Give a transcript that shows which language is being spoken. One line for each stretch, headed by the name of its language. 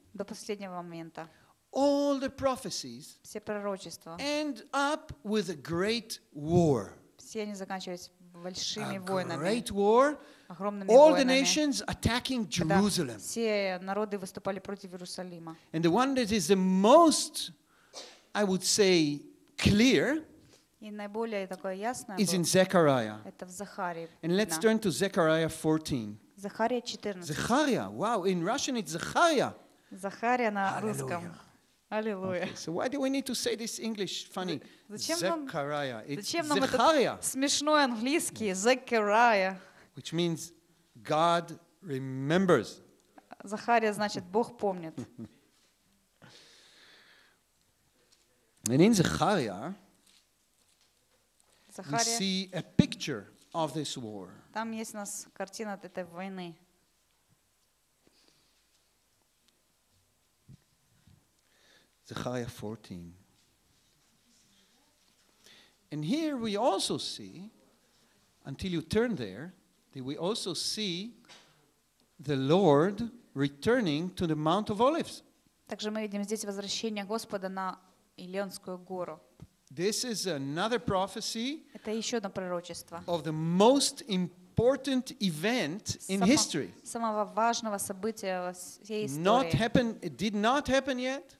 Russian: До последнего момента.
English: All the prophecies
Russian: все пророчества
English: end up with a great war.
Russian: Все они заканчиваются большими a войнами.
English: Great war.
Russian: Огромными
English: all
Russian: войнами,
English: the nations attacking Jerusalem.
Russian: Все народы выступали против Иерусалима.
English: And the one that is the most, I would say, clear.
Russian: И наиболее такое ясное.
English: Is in Zechariah.
Russian: Это в Захарии.
English: And let's turn to Zechariah 14.
Russian: Захария 14.
English: Захария. Wow. In Russian it's Zachariah.
Russian: Захария на русском. Аллилуйя.
English: Okay, so why do we need to say this English funny? Zechariah.
Russian: Зачем нам это смешной английский?
English: Zechariah. Which means God remembers.
Russian: Захария значит Бог помнит.
English: And in Zechariah, we see a picture of this war.
Russian: Там есть у нас картина от этой войны.
English: Zechariah 14. And here we also see, until you turn there, we also see the Lord returning to the Mount of Olives.
Russian: Также мы видим здесь возвращение Господа на Елеонскую гору.
English: This is another prophecy.
Russian: Это ещё одно пророчество.
English: Of the most important event in history.
Russian: Самого важного события во всей истории.
English: Not happened, it did not happen yet.